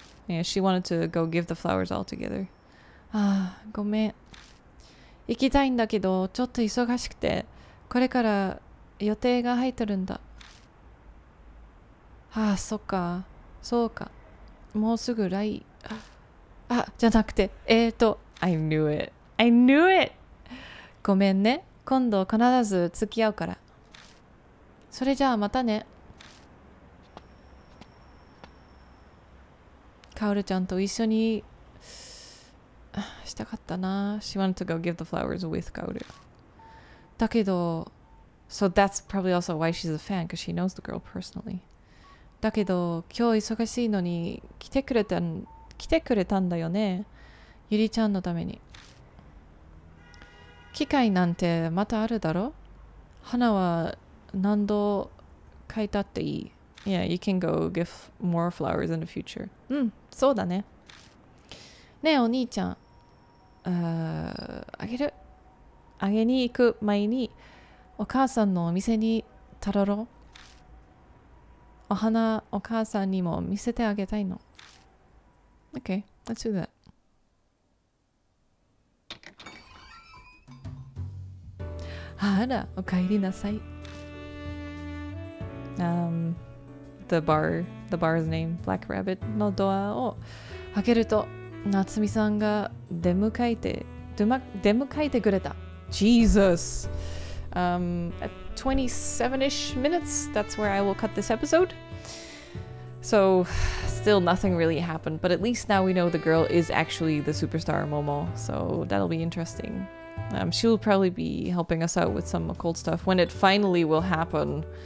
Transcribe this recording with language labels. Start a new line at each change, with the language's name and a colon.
English: Yeah, she wanted to go give the flowers all together.
Japanese: ああ、ごめん。行きたいんだけど、ちょっと忙しくて、これから予定が入ってるんだ。ああ、そっか、そうか。もうすぐ来。あ、じゃなくて、
English: I knew it. I knew it!
Japanese: ごめんね。今度必ず付き合うから。それじゃあまたね。カオルちゃんと一緒にしたかったな。
English: She wanted to go give the flowers with Kaoru.
Japanese: だけど、
English: So that's probably also why she's a fan, because she knows the girl personally.
Japanese: だけど、今日忙しいのに来てくれたんだよね。ゆりちゃんのために。機会なんてまたあるだろ？花は何度買いたっていい。
English: Yeah, you can go give more flowers in the future.
Japanese: うん、そうだね。ねえ、お兄ちゃん。あげる。あげに行く前に、お母さんのお店にたどろう。お花、お母さんにも見せてあげたいの。
English: Okay, let's do that.
Japanese: あら、おかえりなさい。
English: The bar's name, Black Rabbit,
Japanese: のドアを開けると、夏美さんが出迎えてくれた。
English: Jesus! 27-ish minutes, that's where I will cut this episode. So, still nothing really happened, but at least now we know the girl is actually the superstar Momo, so that'll be interesting. She will probably be helping us out with some occult stuff when it finally will happen.